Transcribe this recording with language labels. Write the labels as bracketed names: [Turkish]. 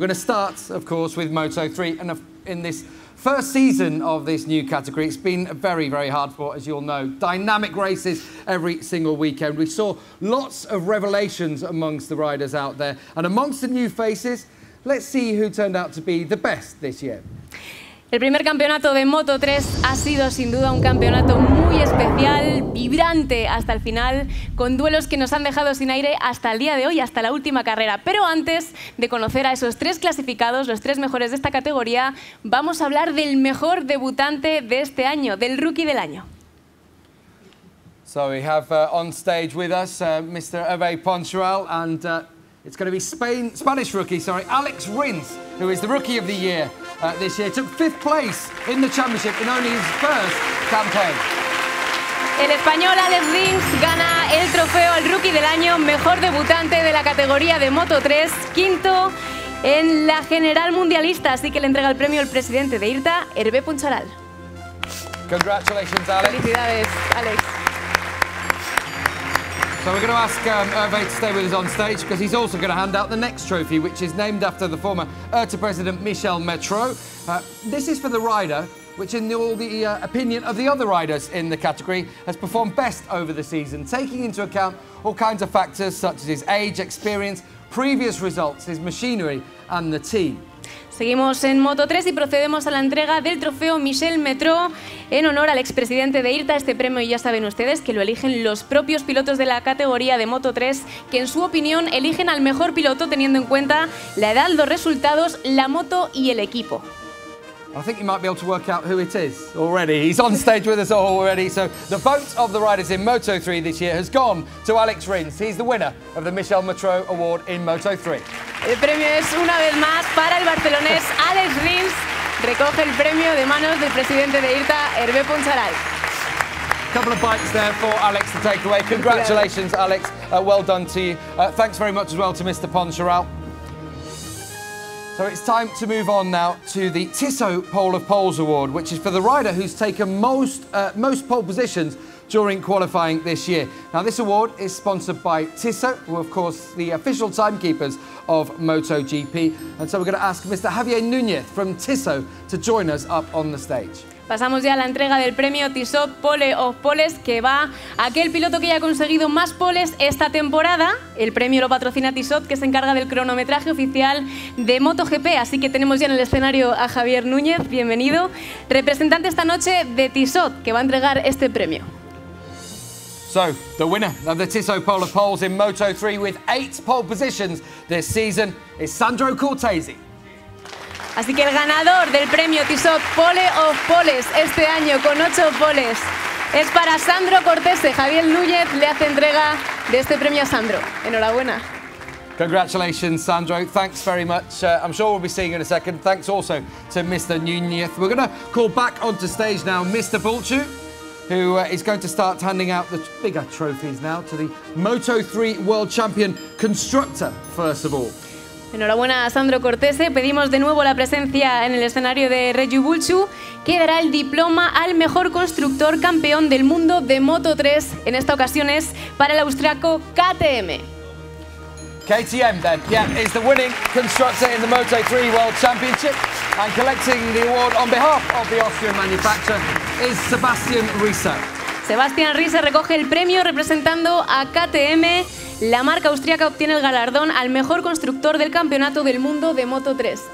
[English] We're going to start, of course, with Moto3. And in this first season of this new category, it's been very, very hard for, as you'll know, dynamic races every single weekend. We saw lots of revelations amongst the riders out there. And amongst the new faces, let's see who turned out to be the best this year. [Spanish] El primer campeonato de Moto3 ha sido sin duda un campeonato muy especial, vibrante hasta el final, con duelos que nos han dejado sin aire hasta el día de hoy, hasta la última carrera. Pero antes de conocer a esos tres clasificados, los tres mejores de esta categoría, vamos a hablar del mejor debutante de este año, del rookie del año. [English] So we have on stage with us Mr. Hervé Poncharal and it's going to be Spanish rookie, Alex Rins, who is the rookie of the year. This year, took fifth place in the championship in only his first campaign. [Spanish] El español Alex Rins gana el trofeo al rookie del año, mejor debutante de la categoría de Moto3, quinto en la general mundialista, así que le entrega el premio el presidente de IRTA, Hervé Poncharal. [English] Congratulations, Alex. [Spanish] Felicidades, Alex. [English] So we're going to ask Hervé to stay with us on stage because he's also going to hand out the next trophy, which is named after the former IRTA president Michel Metro. This is for the rider, which in the opinion of the other riders in the category, has performed best over the season, taking into account all kinds of factors such as his age, experience, previous results, his machinery and the team. [Spanish] Seguimos en Moto3 y procedemos a la entrega del trofeo Michel Metro en honor al expresidente de IRTA. Este premio, ya saben ustedes, que lo eligen los propios pilotos de la categoría de Moto3, que en su opinión eligen al mejor piloto teniendo en cuenta la edad, los resultados, la moto y el equipo. [English] I think you might be able to work out who it is already. He's on stage with us already. So the vote of the riders in Moto3 this year has gone to Alex Rins. He's the winner of the Michel Metro Award in Moto3. [Spanish] El premio es una vez más para el barcelonés Alex Rins. Recoge el premio de manos del presidente de IRTA, Hervé Poncharal. [English] couple of bikes there for Alex to take away. Congratulations, yeah. Alex. Well done to you. Thanks very much as well to Mr. Poncharal. So it's time to move on now to the Tissot Pole of Poles Award, which is for the rider who's taken most pole positions during qualifying this year. Now, this award is sponsored by Tissot, who are, of course, the official timekeepers of MotoGP. And so we're going to ask Mr. Javier Núñez from Tissot to join us up on the stage. [Spanish] Pasamos ya a la entrega del premio Tissot Pole of Poles, que va a aquel piloto que haya conseguido más poles esta temporada. El premio lo patrocina Tissot, que se encarga del cronometraje oficial de MotoGP. Así que tenemos ya en el escenario a Javier Núñez, bienvenido. Representante esta noche de Tissot, que va a entregar este premio. [English] So, the winner of the Tissot Pole of Poles in Moto3 with 8 pole positions this season is Sandro Cortese. [Spanish] Así que el ganador del premio Tissot Pole of Poles este año con 8 poles es para Sandro Cortese. Javier Núñez le hace entrega de este premio a Sandro. Enhorabuena. [English] Congratulations, Sandro. Thanks very much. I'm sure we'll be seeing you in a second. Thanks also to Mr. Núñez. We're going to call back onto stage now Mr. Bulcu, who is going to start handing out the bigger trophies now to the Moto3 World Champion Constructor, first of all. [Spanish] Enhorabuena a Sandro Cortese. Pedimos de nuevo la presencia en el escenario de Reggio Bulcu, que dará el diploma al mejor constructor campeón del mundo de Moto3. En esta ocasión es para el austriaco KTM. [English] KTM, then. Yeah, is the winning constructor in the Moto3 World Championship. And collecting the award on behalf of the Austrian manufacturer is Sebastian Rieser. [Spanish] Sebastian Rieser recoge el premio representando a KTM. La marca austríaca obtiene el galardón al mejor constructor del campeonato del mundo de Moto3.